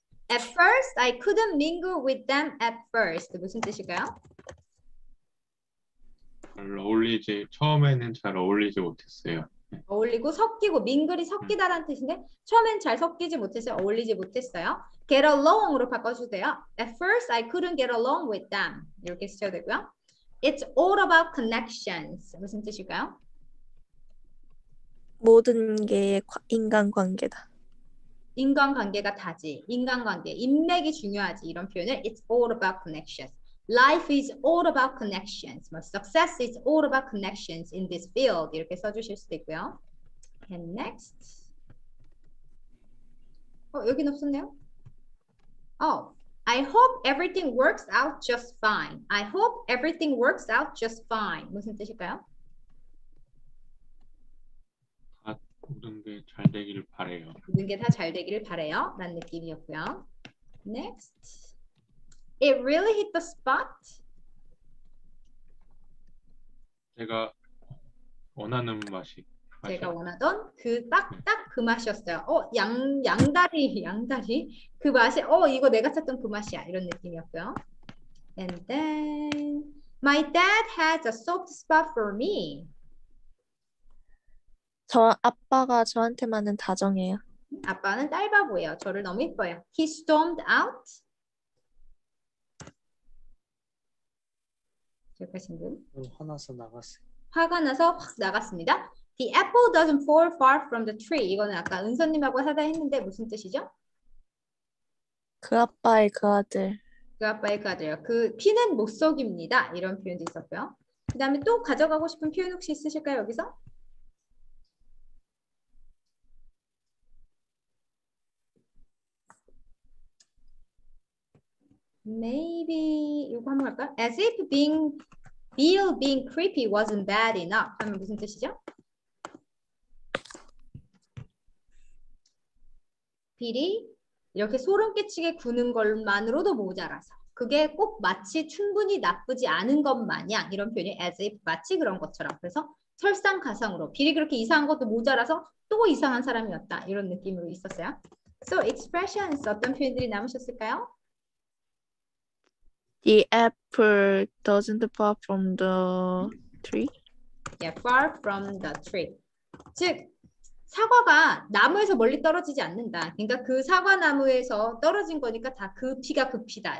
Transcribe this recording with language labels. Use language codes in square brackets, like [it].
[en] At first, I couldn't mingle with them at first. [ko] 무슨 뜻일까요? 잘 어울리지, 처음에는 잘 어울리지 못했어요. 어울리고 섞이고 밍글이 섞이다라는 뜻인데 처음엔 잘 섞이지 못했어요. 어울리지 못했어요. Get along으로 바꿔주세요. [en] At first, I couldn't get along with them. [ko] 이렇게 쓰셔도 되고요. [en] It's all about connections. [ko] 무슨 뜻일까요? 모든 게 인간관계다. 인간관계가 다지. 인간관계, 인맥이 중요하지. 이런 표현을 [en] It's all about connections. Life is all about connections. Success is all about connections in this field. [ko] 이렇게 써주실 수도 있고요. [en] And next. [ko] 여긴 없었네요. [en] Oh, I hope everything works out just fine. I hope everything works out just fine. [ko] 무슨 뜻일까요? 모든 게 잘 되기를 바래요. 모든 게 다 잘 되기를 바래요. 라는 느낌이었고요. [en] Next. It really hit the spot. [ko] 제가 원하는 맛이. 맞아요. 제가 원하던 그 딱딱 그 맛이었어요. 양다리 그 맛이. 이거 내가 찾던 그 맛이야. 이런 느낌이었고요. [en] And then my dad has a soft spot for me. [ko] 저 아빠가 저한테만은 다정해요. 아빠는 딸 바보예요. 저를 너무 이뻐요. [en] He stormed out. [ko] 기억하신 분? 화나서 나갔어요. 화가 나서 확 나갔습니다. [en] The apple doesn't fall far from the tree. [ko] 이거는 아까 은서님하고 하다 했는데 무슨 뜻이죠? 그 아빠의 그 아들. 그 아빠의 그 아들이요. 그 피는 못 속입니다. 이런 표현도 있었고요. 그 다음에 또 가져가고 싶은 표현 혹시 있으실까요? 여기서? 이거 한번 할까요? [en] As if Bill being creepy wasn't bad enough. [ko] 하면 무슨 뜻이죠? 빌이 이렇게 소름 끼치게 구는 것만으로도 모자라서 그게 꼭 마치 충분히 나쁘지 않은 것 마냥 이런 표현이 as if 마치 그런 것처럼 그래서 설상가상으로 빌이 그렇게 이상한 것도 모자라서 또 이상한 사람이었다 이런 느낌으로 있었어요. [en] So expressions [ko] 어떤 표현들이 남으셨을까요? [en] The apple doesn't fall from the tree. Yeah, far from the tree. [ko] 즉, 사과가 나무에서 멀리 떨어지지 않는다. 그러니까 그 사과나무에서 떨어진 거니까 다 급히가 급히다.